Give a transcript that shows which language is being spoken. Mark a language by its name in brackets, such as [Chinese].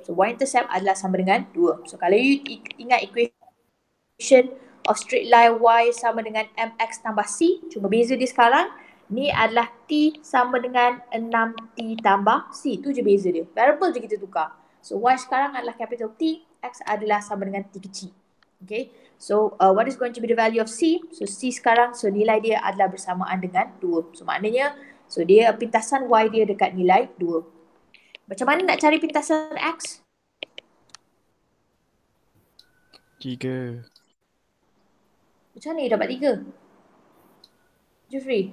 [Malay] So Y intercept adalah sama dengan 2. So kalau you ingat equation of straight line y sama dengan mx tambah c, cuma beza dia sekarang ni adalah t sama dengan 6t tambah c. Tu je beza dia, variable je kita tukar. So y sekarang adalah capital T, x adalah sama dengan t kecil. [English] Okay, so what is going to be the value of c? [Malay] So c sekarang, so nilai dia adalah bersamaan dengan 2. So maknanya, so dia pintasan y dia dekat nilai 2. Macam mana nak cari pintasan x? 3. Macam mana you dapat 3? Jeffrey?